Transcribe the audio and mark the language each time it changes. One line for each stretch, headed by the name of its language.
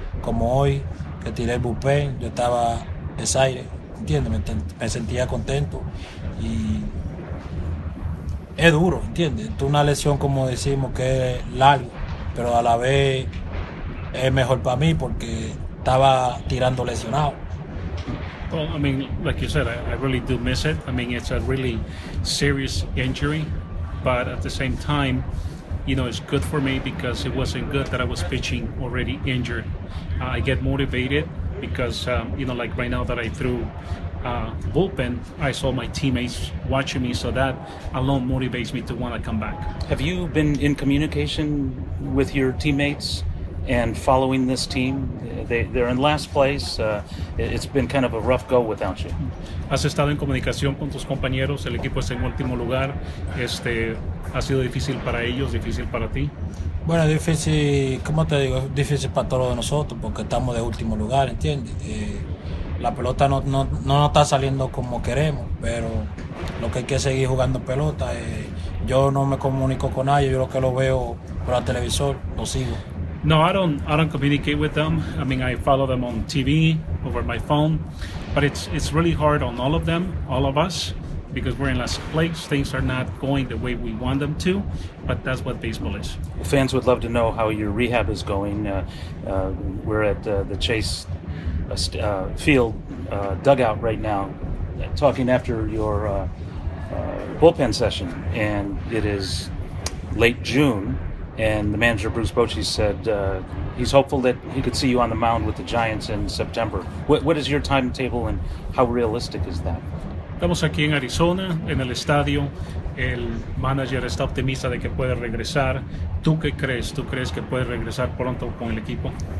Spanish: Como hoy, que tiré el bullpen, yo estaba excited, ¿entiendes? Me sentía contento y es duro, ¿entiendes? Es una lesión, como decimos, que es larga, pero a la vez es mejor para mí porque estaba tirando lesionado.
English: Well, I mean, like you said, I really do miss it. I mean, it's a really serious injury, but at the same time, you know, it's good for me because it wasn't good that I was pitching already injured. I get motivated because, you know, like right now that I threw bullpen, I saw my teammates watching me, so that alone motivates me to want to come back. Have you been in communication with your teammates and following this team? They're in last place. It's been kind of a rough go without you.
Spanish: Has estado en comunicación con tus compañeros. El equipo está en último lugar. ¿Ha sido difícil para ellos, difícil para ti? Bueno, difícil, ¿cómo te digo? Difícil para todos nosotros porque estamos de último lugar, ¿entiendes? La pelota no está saliendo como queremos, pero lo que hay que seguir jugando pelota. Yo no me comunico con nadie, yo lo que lo veo por el televisor, lo sigo.
English: No, I don't communicate with them. I mean, I follow them on TV, over my phone, but it's really hard on all of them, all of us. Because we're in last place, things are not going the way we want them to, but that's what baseball is. Fans would love to know how your rehab is going. We're at the Chase Field dugout right now, talking after your bullpen session, and it is late June, and the manager, Bruce Bochy, said he's hopeful that he could see you on the mound with the Giants in September. What is your timetable, and how realistic is that?
Spanish: Estamos aquí en Arizona, en el estadio. El manager está optimista de que puede regresar. ¿Tú qué crees? ¿Tú crees que puede regresar pronto con el equipo?